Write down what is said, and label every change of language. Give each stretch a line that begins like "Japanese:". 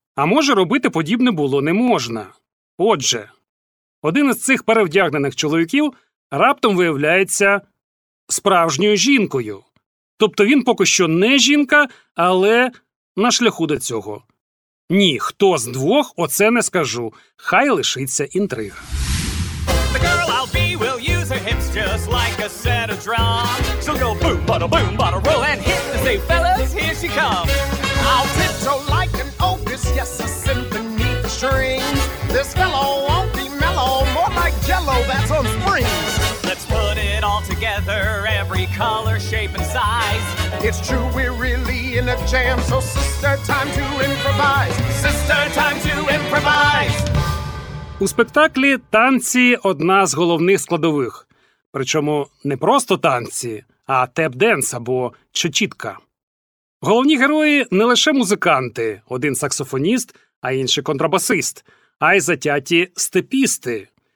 Ukrainian: А може, робити подібне було не можна. Отже, один із цих перевдягнених чоловіків раптом виявляється справжньою жінкою. Тобто він поки що не жінка, але на шляху до цього. Ні, хто з двох, оце не скажу. Хай лишиться інтрига.
English: The girl I'll be will use her hips just like a set of drums. She'll go boom, bada, roll and hit the same fellas, here she comes. I'll tiptoe like an opus, yes, a symphony for strings. This fellow won't be mellow, more like jello that's on springs. Let's put it all together, every color, shape and size. It's true, we're really in a jam, so sister, time to improvise. Sister, time to improvise.
Ukrainian: У спектаклі танці – одна з головних складових. Причому не просто танці, а теп-денс або чечітка. Головні герої не лише музиканти, один саксофоніст, а інший контрабасист, а й затяті степісти.